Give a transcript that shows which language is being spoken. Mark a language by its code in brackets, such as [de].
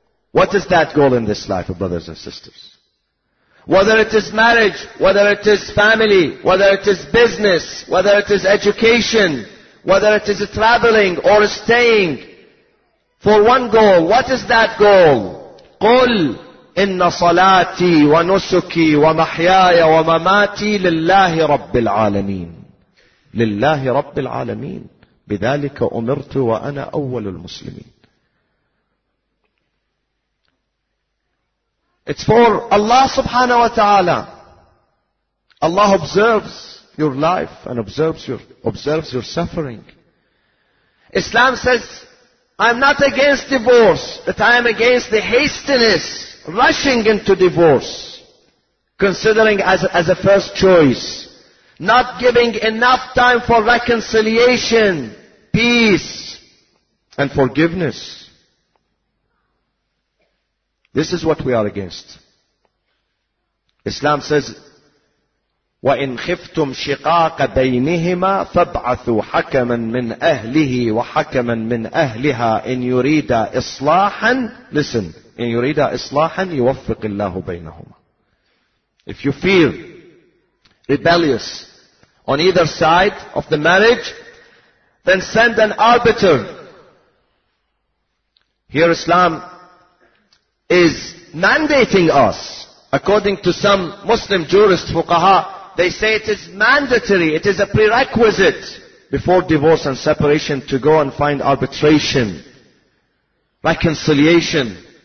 [en] What is that goal in this life, brothers and sisters? Whether it is marriage, whether it is family, whether it is business, whether it is education, whether it is traveling or staying, for one goal, what is that goal? [ar] قُلْ إِنَّ صَلَاتِي وَنُسُكِي وَمَحْيَايَ وَمَمَاتِي لِلَّهِ رَبِّ الْعَالَمِينَ لِلَّهِ رَبِّ الْعَالَمِينَ بِذَلِكَ أُمِرْتُ وَأَنَا أَوَّلُ الْمُسْلِمِينَ [en] It's for Allah subhanahu wa ta'ala. Allah observes your life and observes your suffering. Islam says, I'm not against divorce, but I am against the hastiness, rushing into divorce, considering as a first choice, not giving enough time for reconciliation, peace, and forgiveness. This is what we are against. Islam says, [ar] وَإِنْ خِفْتُمْ شِقَاقَ بَيْنِهِمَا فَابْعَثُوا حَكَمًا مِنْ أَهْلِهِ وَحَكَمًا مِنْ أَهْلِهَا إِنْ يُرِيدَ إِصْلَاحًا [en] Listen, [ar] إِنْ يُرِيدَ إِصْلَاحًا يُوَفِّقِ اللَّهُ بَيْنَهُمَا [en] If you feel rebellious on either side of the marriage, then send an arbiter. Here Islam is mandating us, according to some Muslim jurists, fuqaha, they say it is mandatory, it is a prerequisite before divorce and separation to go and find arbitration, reconciliation.